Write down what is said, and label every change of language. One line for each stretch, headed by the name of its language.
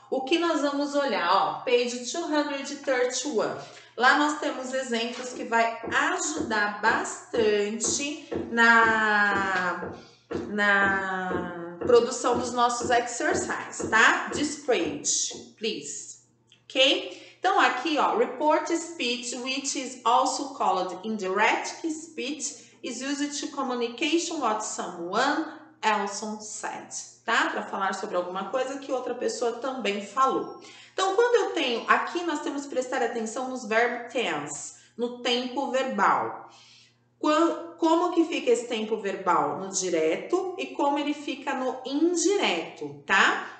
Portuguese: O que nós vamos olhar? Ó,
English: page 231.
Portuguese: Lá nós temos exemplos que vai ajudar bastante na produção dos nossos exercises, tá?
English: Display, please.
Portuguese: Ok? Então, aqui, ó,
English: report speech, which is also called indirect speech, is used to communication what someone else said, tá?
Portuguese: Para falar sobre alguma coisa que outra pessoa também falou. Então, quando eu tenho, aqui nós temos que prestar atenção nos verb tense, no tempo verbal. Como que fica esse tempo verbal? No direto e como ele fica no indireto, tá?